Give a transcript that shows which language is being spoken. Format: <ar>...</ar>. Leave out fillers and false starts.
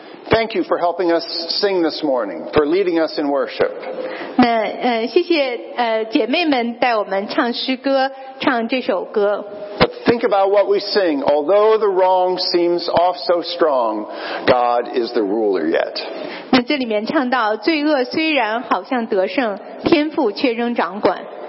<en>Thank you for helping us sing this morning, for leading us in worship.</en> <zh>谢谢姐妹们带我们唱诗歌，唱这首歌。</zh> <en>But think about what we sing. Although the wrong seems off so strong, God is the ruler yet.</en> <zh>那这里面唱到，罪恶虽然好像得胜，天父却仍掌管。</zh>